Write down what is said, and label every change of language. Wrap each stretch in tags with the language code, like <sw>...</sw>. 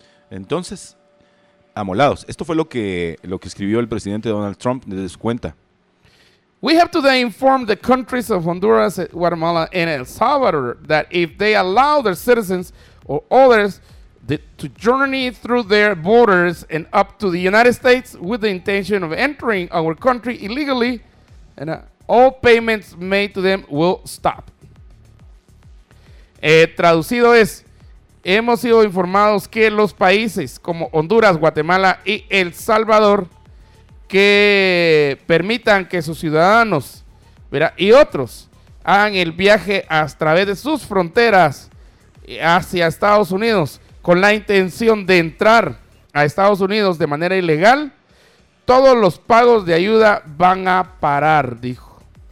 <es>Entonces, amolados, esto fue lo que escribió el presidente Donald Trump desde su cuenta.</es> <en>We have today informed the countries of Honduras, Guatemala, and El Salvador that if they allow their citizens or others to journey through their borders and up to the United States with the intention of entering our country illegally, and all payments made to them will stop.</en> <es>Traducido es, hemos sido informados que los países como Honduras, Guatemala y El Salvador que permitan que sus ciudadanos, ¿verdad?, y otros hagan el viaje a través de sus fronteras hacia Estados Unidos con la intención de entrar a Estados Unidos de manera ilegal, todos los pagos de ayuda van a parar, dijo.</es>